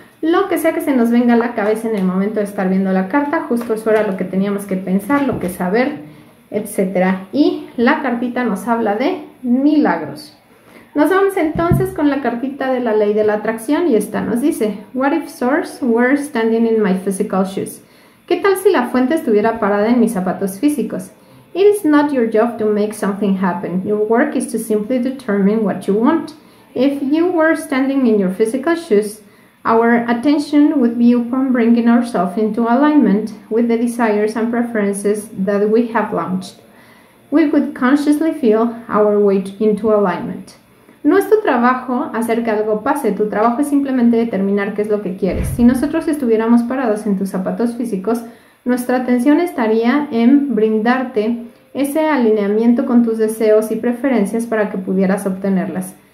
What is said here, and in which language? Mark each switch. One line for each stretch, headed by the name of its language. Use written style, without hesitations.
Spanish: Lo que sea que se nos venga a la cabeza en el momento de estar viendo la carta, justo eso era lo que teníamos que pensar, lo que saber, etc. Y la cartita nos habla de milagros. Nos vamos entonces con la cartita de la ley de la atracción y esta nos dice:
English: What if source were standing in my physical shoes?
Spanish: ¿Qué tal si la fuente estuviera parada en mis zapatos físicos?
English: It is not your job to make something happen. Your work is to simply determine what you want. If you were standing in your physical shoes, our attention would be upon bringing ourselves into alignment with the desires and preferences that we have launched. We could consciously feel our way into alignment.
Spanish: No es tu trabajo hacer que algo pase, tu trabajo es simplemente determinar qué es lo que quieres. Si nosotros estuviéramos parados en tus zapatos físicos, nuestra atención estaría en brindarte ese alineamiento con tus deseos y preferencias para que pudieras obtenerlas.